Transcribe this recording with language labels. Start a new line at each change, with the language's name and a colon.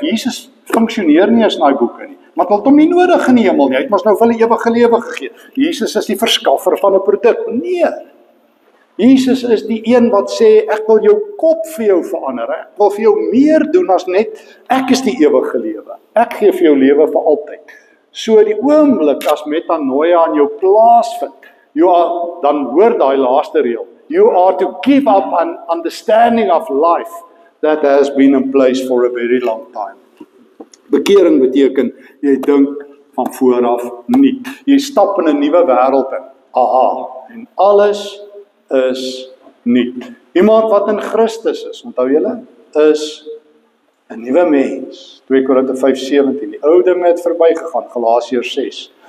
Afrikaans: Jesus funksioneer nie as in daai boeke nie. Maar hulle het hom nie nodig in die hemel nie. Hy het mos nou vir hulle ewige lewe gegee. Jesus is die verskaffer van 'n produk. Nee. Jesus is die een wat sê, ek wil jou kop vir jou verander, ek wil vir jou meer doen as net, ek is die ewige lewe, ek gee vir jou lewe vir altyd. So die oomblik as metanoia in jou plaas vind, you are, dan hoor die laaste reel,
English: you are to give up an understanding of life that has been in place for a very long time.
Afrikaans: Bekering beteken, jy dink van vooraf nie. Jy stap in 'n nuwe wêreld in, aha, en alles is nie. Iemand wat in Christus is, onthou julle, is 'n nuwe mens. 2 Korinte 5:17. Die ou ding het verby gegaan. Galasiërs 6.